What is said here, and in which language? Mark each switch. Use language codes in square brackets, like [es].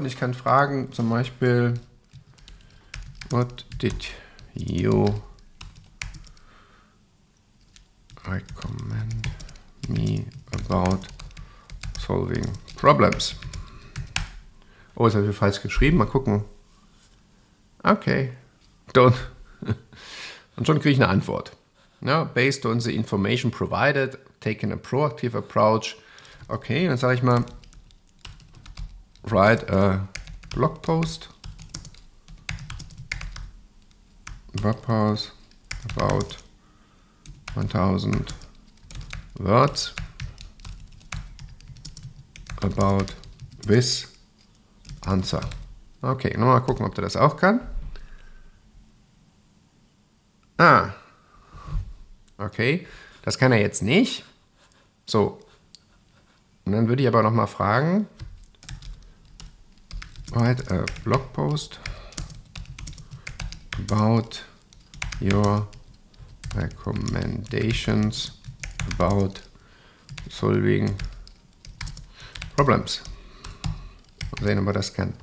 [de] Und ich kann fragen, zum Beispiel, [en] what did you recommend me about solving problems? [de] Oh, das habe ich falsch geschrieben. Mal gucken. Okay. Done. Und schon kriege ich eine Antwort. [en] Now, based on the information provided, taking a proactive approach. [de] Okay, dann sage ich mal, [en] write a blog post. Webpause about 1000 words about this answer. [de] Okay, nochmal gucken, ob der das auch kann. Ah, okay, das kann er jetzt nicht. So, und dann würde ich aber nochmal fragen, [en] write a blog post about your recommendations about solving problems. [de] Mal sehen, ob er das kann.